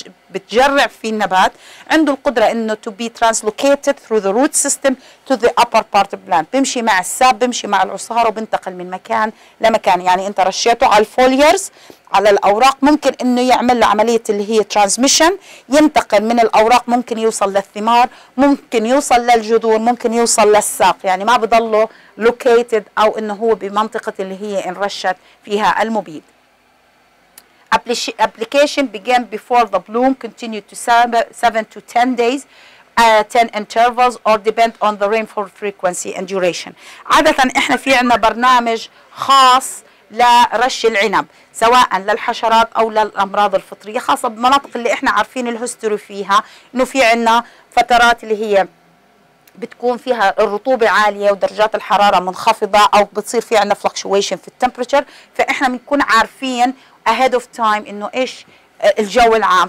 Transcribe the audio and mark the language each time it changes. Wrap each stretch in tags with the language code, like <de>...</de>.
<ar>بتجرع فيه النبات عنده القدرة انه</ar> <en>to be translocated through the root system to the upper part of plant،</en> <ar>بمشي مع الساب بمشي مع العصارة وبنتقل من مكان لمكان، يعني انت رشيته على الفوليرز على الأوراق ممكن انه يعمل له عملية اللي هي transmission ينتقل من الأوراق ممكن يوصل للثمار ممكن يوصل للجذور ممكن يوصل للساق، يعني ما بضله located او انه هو بمنطقة اللي هي انرشت فيها المبيد.</ar> <en>Application began before the bloom, continued to 7 to 10 days, 10 intervals, or depend on the rainfall frequency and duration.</en> <ar>عادة احنا في عنا برنامج خاص لرش العنب سواء للحشرات او للامراض الفطرية خاصة بمناطق اللي احنا عارفين الهستوري فيها، انه في عنا فترات اللي هي بتكون فيها الرطوبة عالية ودرجات الحرارة منخفضة او بتصير في عنا fluctuation في temperature، فاحنا بنكون عارفين</ar> <en>ahead of time</en> <ar>انه ايش الجو العام.</ar>